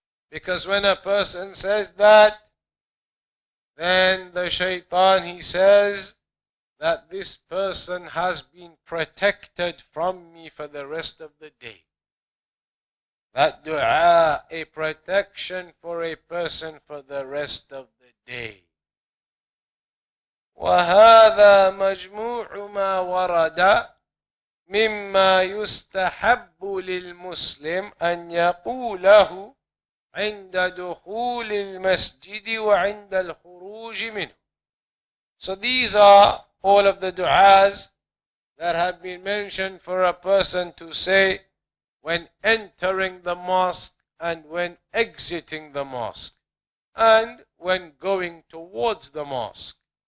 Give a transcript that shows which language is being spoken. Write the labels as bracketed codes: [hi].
[en] Because when a person says that, then the shaitan, he says that this person has been protected from me for the rest of the day. That dua, a protection for a person for the rest of the day. [ar] وَهَذَا مَجْمُوعُ مَا وَرَدَ مِمَّا يُسْتَحَبُّ لِلْمُسْلِمْ أَنْ يَقُولَهُ عند دخول المسجد وعند الخروج منه. [en] So these are all of the du'as that have been mentioned for a person to say when entering the mosque and when exiting the mosque and when going towards the mosque.